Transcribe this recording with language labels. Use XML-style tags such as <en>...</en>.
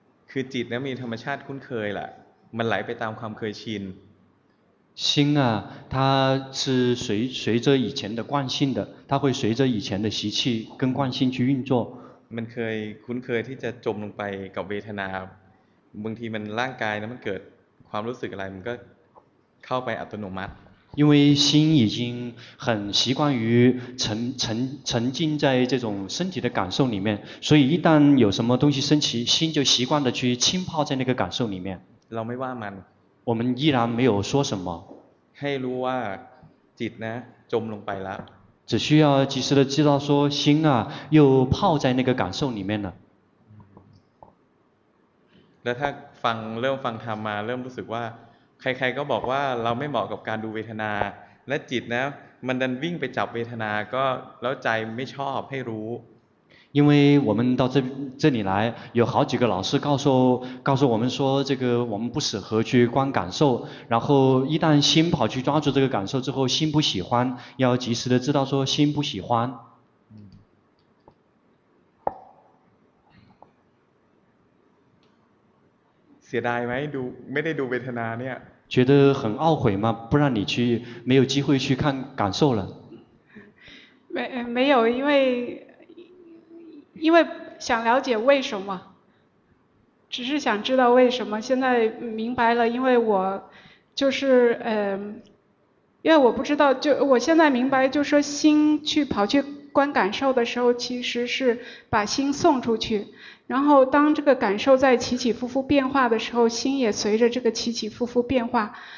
<th>คือจิตนะมีธรรมชาติคุ้นเคยแหละมันไหลไปตามความเคยชิน</th> <zh>心啊它是随着以前的惯性的它会随着以前的习气跟惯性去运作</zh> <th>มันเคยคุ้นเคยที่จะจมลงไปกับเวทนาบางทีมันร่างกายนะมันเกิดความรู้สึกอะไรมันก็เข้าไปอัตโนมัติ</th> <zh>因为心已经很习惯于沉浸在这种身体的感受里面所以一旦有什么东西升起心就习惯的去浸泡在那个感受里面</zh> <th>เราไม่ว่ามัน</th> <zh>我们依然没有说什么</zh> <th>ให้รู้ว่าจิตนะจมลงไปแล้ว</th> <zh>只需要及时的知道说心啊又泡在那个感受里面了</zh> <th>แล้วถ้าฟังเริ่มฟังธรรมมาเริ่มรู้สึกว่าใครๆก็บอกว่าเราไม่เหมาะกับการดูเวทนาและจิตนะมันดันวิ่งไปจับเวทนาก็แล้วใจไม่ชอบให้รู้</th> <zh>因为我们到 这里来有好几个老师告诉我们说这个我们不适合去观感受，然后一旦心跑去抓住这个感受之后，心不喜欢，要及时的知道说心不喜欢。</zh> <th>เสียดายไหมดูไม่ได้ดูเวทนาเนี่ย</th> <zh>觉得很懊悔吗不让你去没有机会去看感受了没有因为想了解为什么只是想知道为什么现在明白了因为我就是因为我不知道就我现在明白就是说心去跑去观感受的时候其实是把心送出去然后当这个感受在起起伏伏变化的时候心也随着这个起起伏伏变化</zh>